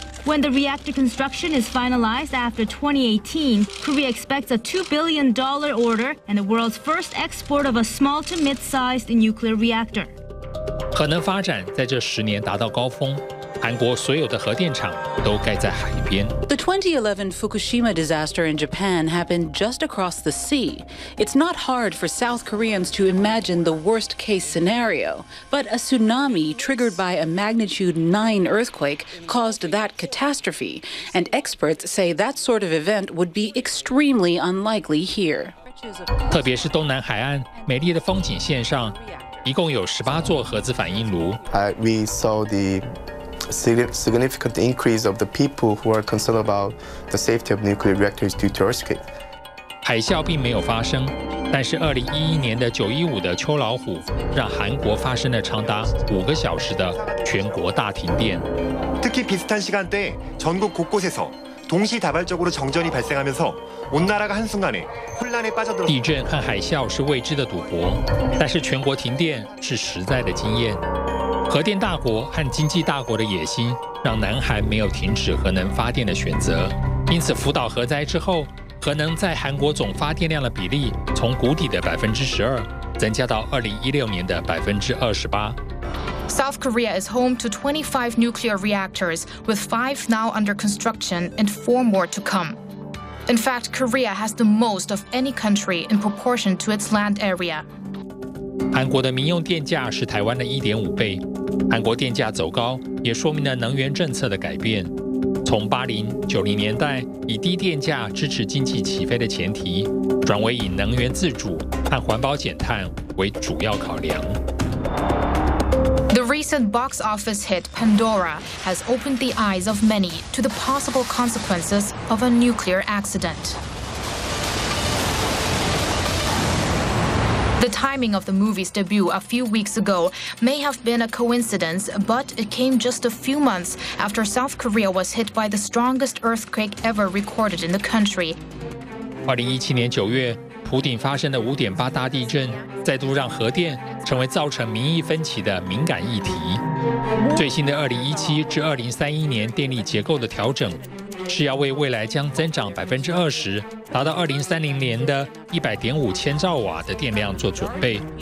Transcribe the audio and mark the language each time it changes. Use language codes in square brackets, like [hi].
[en] When the reactor construction is finalized after 2018, Korea expects a $2 billion order and the world's first export of a small to mid-sized nuclear reactor. [zh] 核能发展在这十年达到高峰，韩国所有的核电厂都盖在海边。 [en] The 2011 Fukushima disaster in Japan happened just across the sea. It's not hard for South Koreans to imagine the worst-case scenario, but a tsunami triggered by a magnitude 9 earthquake caused that catastrophe, and experts say that sort of event would be extremely unlikely here. [zh] 特别是东南海岸美丽的风景线上，一共有十八座核子反应炉。 [en] We saw the significant increase of the people who are concerned about the safety of nuclear reactors due to earthquake. [zh] 海啸并没有发生，但是2011年的915的秋老虎让韩国发生了长达五个小时的全国大停电。 [ko] 특히비슷한시간대전국곳곳에서동시다발적으로정전이발생하면서온나라가한순간에혼란에빠져들 었습니다。 [zh] 地震和海啸是未知的赌博，但是全国停电是实在的经验。核电大国和经济大国的野心让南韩没有停止核能发电的选择，因此福岛核灾之后，核能在韩国总发电量的比例从谷底的12%增加到2016年的28%。 [en] South Korea is home to 25 nuclear reactors, with 5 now under construction and 4 more to come. In fact, Korea has the most of any country in proportion to its land area. [zh] 韩国的民用电价是台湾的 1.5 倍，韩国电价走高也说明了能源政策的改变。从80、90年代以低电价支持经济起飞的前提，转为以能源自主和环保减碳为主要考量。 [en] The recent box office hit Pandora has opened the eyes of many to the possible consequences of a nuclear accident. The timing of the movie's debut a few weeks ago may have been a coincidence, but it came just a few months after South Korea was hit by the strongest earthquake ever recorded in the country. [zh] 2017年9月，浦顶发生的 5.8 大地震，再度让核电成为造成民意分歧的敏感议题。最新的2017至2031年电力结构的调整，是要为未来将增长20%，达到2030年的100.5千兆瓦的电量做准备。